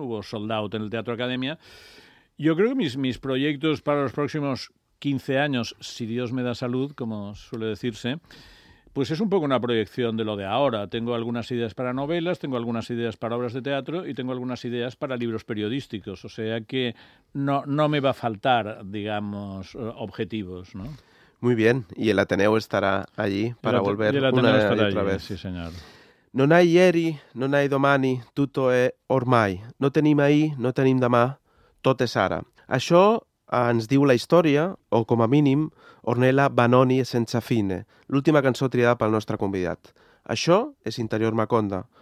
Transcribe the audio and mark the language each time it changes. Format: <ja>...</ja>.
<es>Hubo sold out en el Teatro Academia. Yo creo que mis proyectos para los próximos 15 años, si Dios me da salud, como suele decirse, pues es un poco una proyección de lo de ahora. Tengo algunas ideas para novelas, tengo algunas ideas para obras de teatro y tengo algunas ideas para libros periodísticos. O sea que no me va a faltar, digamos, objetivos, ¿no? Muy bien. Y el Ateneo estará allí para volver una y otra vez. Sí, señor.</es> <it>Non hai ieri, non hai domani, tutto è ormai.</it> <ca>No tenim ahir, no tenim demà, tot és ara. Això ens diu la història, o com a mínim, Ornella Vanoni Senza Fine, l'última cançó triada pel nostre convidat. Això és Interior Maconda.</ca>